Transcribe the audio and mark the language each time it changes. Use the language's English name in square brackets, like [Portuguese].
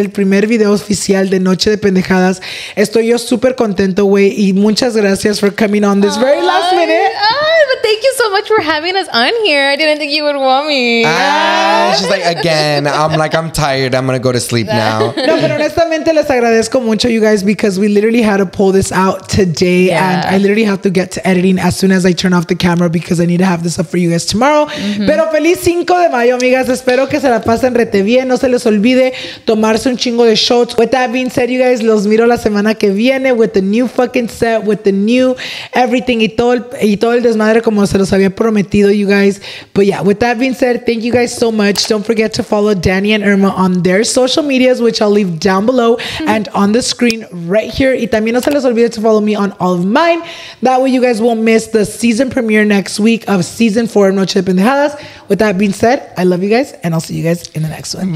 [Spanish] el primer video oficial de Noche de Pendejadas. Estoy yo súper contento, güey. Y muchas gracias [English] for coming on this very last minute. But thank you so much for having us on here. I didn't think you would want me. She's like, again, I'm tired. I'm going to go to sleep now. [Spanish] No, pero honestamente les agradezco mucho, you guys, [English] because we literally had to pull this out today. Yeah. And I literally have to get to editing as soon as I turn off the camera because I need to have this up for you guys tomorrow. [Spanish] Mm-hmm. Pero feliz 5 de mayo, amigas. Espero que se la pasen rete bien. No se les olvide tomarse un chingo de shots. [English] With that being said, you guys, [Spanish] los miro la semana que viene [English] with the new fucking set, with the new everything [Spanish] y todo el desmadre como se los había prometido, you guys. [English] But yeah, with that being said, thank you guys so much. Don't forget to follow Danny and Irma on their social medias, which I'll leave down below and on the screen right here. [Spanish] Y también no se les olvide [English] to follow me on all of mine. That way you guys won't miss the season premiere next week of season 4 of Noche de Pendejadas. With that being said, I love you guys, and I'll see you guys in the next one.